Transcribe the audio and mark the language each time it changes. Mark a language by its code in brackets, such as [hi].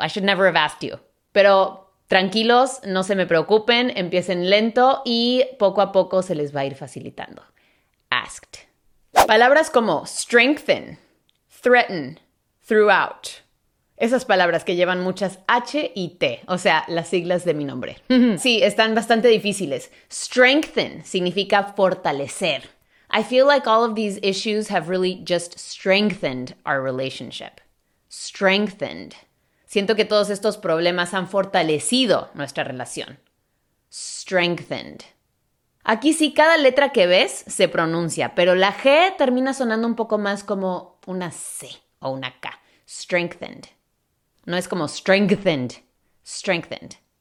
[en] I should never have asked you. [es] Pero tranquilos, no se me preocupen, empiecen lento y poco a poco se les va a ir facilitando. Asked. Palabras como strengthen, threaten, throughout. Esas palabras que llevan muchas H y T, o sea, las siglas de mi nombre. Sí, están bastante difíciles. Strengthen significa fortalecer. [en] I feel like all of these issues have really just strengthened our relationship. Strengthened. [es] Siento que todos estos problemas han fortalecido nuestra relación. Strengthened. Aquí sí, cada letra que ves se pronuncia, pero la G termina sonando un poco más como una C o una K. Strengthened. No es como strengthened. Strengthened.